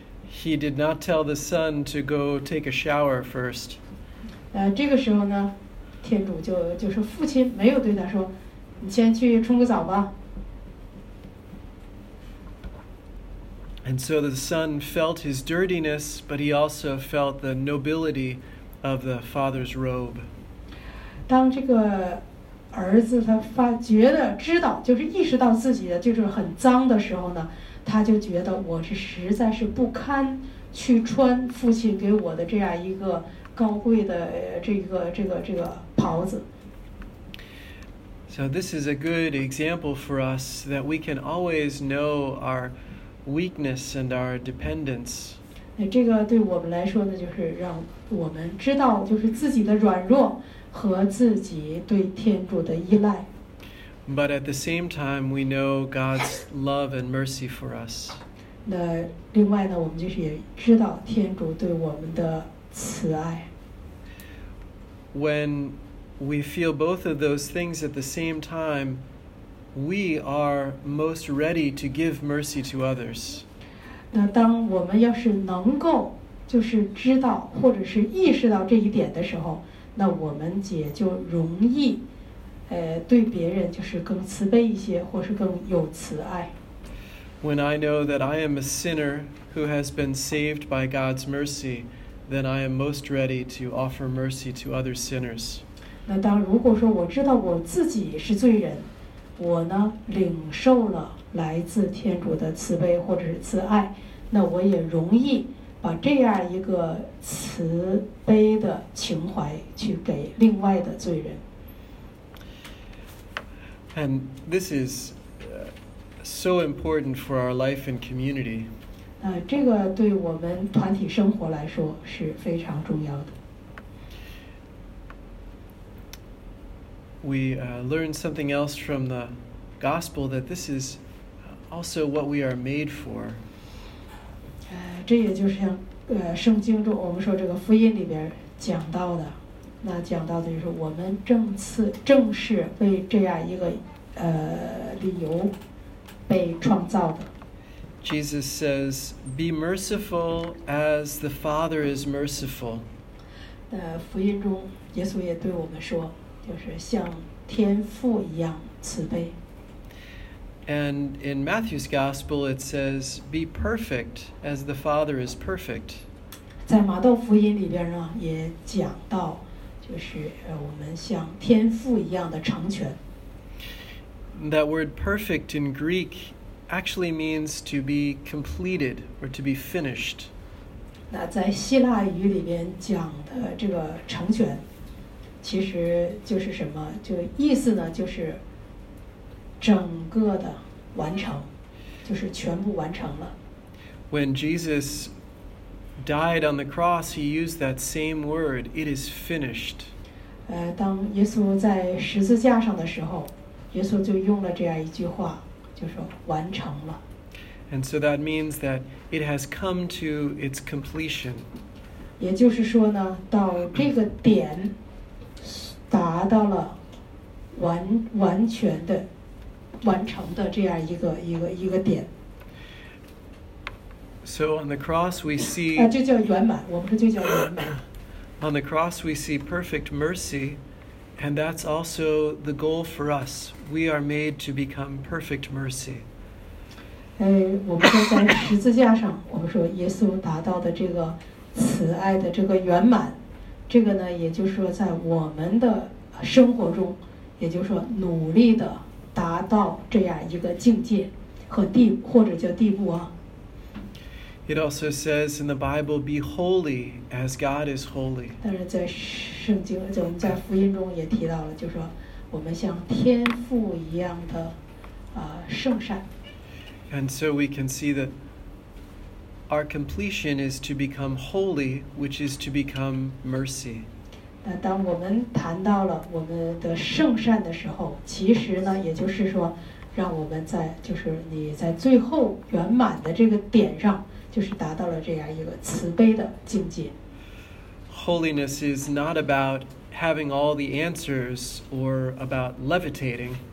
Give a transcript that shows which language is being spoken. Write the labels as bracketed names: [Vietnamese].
[English] He did not tell the son to go take a shower first. [Chinese] 这个时候呢，天主就是父亲没有对他说，你先去冲个澡吧。 [English] And so the son felt his dirtiness, but he also felt the nobility of the father's robe. [Chinese] 当这个儿子他发觉得知道，就是意识到自己的就是很脏的时候呢，他就觉得我是实在是不堪去穿父亲给我的这样一个高贵的这个袍子。 [English] So this is a good example for us that we can always know our weakness and our dependence. [Chinese] 那这个对我们来说呢，就是让我们知道就是自己的软弱和自己对天主的依赖。 [English] But at the same time, we know God's love and mercy for us. [Chinese] 那另外呢，我们就是也知道天主对我们的慈爱。 [English] When we feel both of those things at the same time, we are most ready to give mercy to others. [Chinese] 那当我们要是能够就是知道或者是意识到这一点的时候，那我们也就容易，对别人就是更慈悲一些，或是更有慈爱。 [English] When I know that I am a sinner who has been saved by God's mercy, then I am most ready to offer mercy to other sinners. [Chinese] 那当如果说我知道我自己是罪人，我呢领受了来自天主的慈悲或者是慈爱，那我也容易把这样一个慈悲的情怀去给另外的罪人。 [English] And this is so important for our life and community. [Chinese] 那这个对我们团体生活来说是非常重要的。 [English] We learn something else from the gospel that this is also what we are made for. [Chinese] 这也就是像圣经中我们说这个福音里边讲到的，那讲到的就是我们正是为这样一个理由被创造的。 [English] Jesus says, "Be merciful as the Father is merciful." [Chinese] 福音中，耶稣也对我们说，就是像天父一样慈悲。 [English] And in Matthew's Gospel, it says, "Be perfect as the Father is perfect." [Chinese] 在马窦福音里边呢，也讲到，就是我们像天父一样的成全。 [English] That word "perfect" in Greek actually means to be completed or to be finished. [Chinese] 那在希腊语里边讲的这个成全，其实就是什么？就意思呢，就是整个的完成，就是全部完成了。 [English] When Jesus died on the cross, he used that same word, "It is finished." [Chinese] 当耶稣在十字架上的时候。耶稣就用了这样一句话，就说完成了。 [English] And so that means that it has come to its completion. [Chinese] 也就是说呢，到这个点达到了完全的完成的这样一个点。 [English] So on the cross we see [Chinese] 就叫圆满，我们就叫圆满。 [English] On the cross we see perfect mercy. And that's also the goal for us. We are made to become perfect mercy. [Chinese] 我们说在十字架上，我们说耶稣达到的这个慈爱的这个圆满，这个呢，也就是说在我们的生活中，也就是说努力的达到这样一个境界和地或者叫地步啊。 [English] It also says in the Bible, "Be holy as God is holy." [Chinese] 但是在圣经，我们在福音中也提到了，就是说我们像天父一样的圣善。 [English] And so we can see that our completion is to become holy, which is to become mercy. [Chinese] 那当我们谈到了我们的圣善的时候，其实呢，也就是说，让我们在就是你在最后圆满的这个点上。就是达到了这样一个慈悲的境界。 [English] Holiness is not about having all the answers or about levitating.